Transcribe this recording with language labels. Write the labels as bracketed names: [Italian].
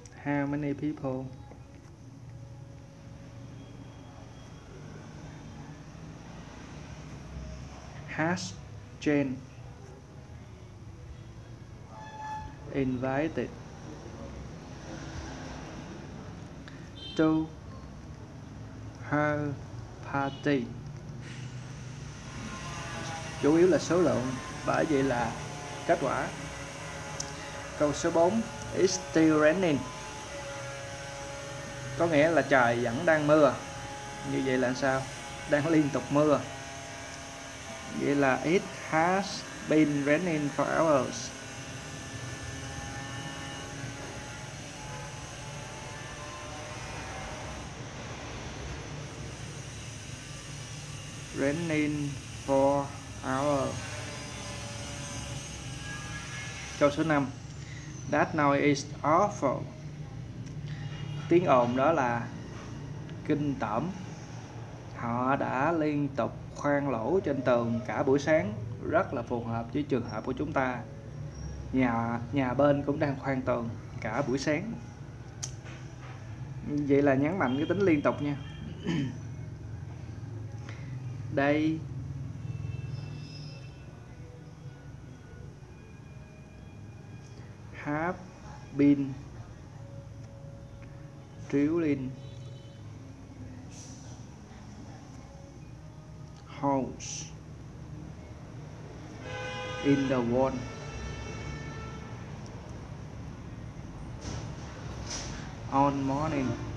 [English] How many people has Jane invited to her party? [Vietnamese] Chủ yếu là số lượng, bởi vậy là kết quả. Câu số 4, [English] It's still raining. [Vietnamese] Có nghĩa là trời vẫn đang mưa. Như vậy là sao? Đang liên tục mưa. Vậy là [English] it has been raining for hours. Raining for hours. [Vietnamese] Câu số 5, [English] That noise is awful. [Vietnamese] Tiếng ồn đó là kinh tởm. Họ đã liên tục khoan lỗ trên tường cả buổi sáng. Rất là phù hợp với trường hợp của chúng ta. Nhà bên cũng đang khoan tường cả buổi sáng. Vậy là nhấn mạnh cái tính liên tục nha. [English] Đây have been drilling holes in the wall all morning.